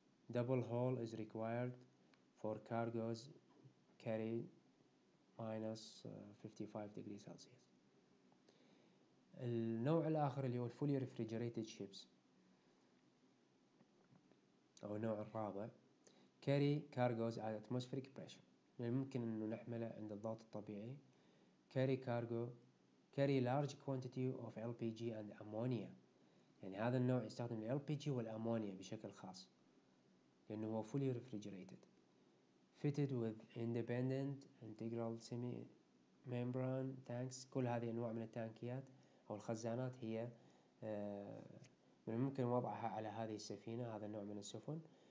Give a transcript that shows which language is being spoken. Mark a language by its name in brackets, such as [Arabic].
[English] Double hull is required for cargoes carry minus 55 degrees Celsius. [Arabic] النوع الآخر اللي هو fully refrigerated ships, أو النوع الرابع, [English] carry cargoes at atmospheric pressure, [Arabic] يعني ممكن أنه نحمله عند الضغط الطبيعي. [English] Carry cargo, carry large quantity of LPG and ammonia. [Arabic] يعني هذا النوع يستخدم LPG والأمونيا بشكل خاص لأنه هو fully refrigerated. [English] Fitted with independent integral semi membrane tanks. [Arabic] كل هذه أنواع من التانكيات أو الخزانات هي من الممكن وضعها على هذه السفينة, هذا النوع من السفن.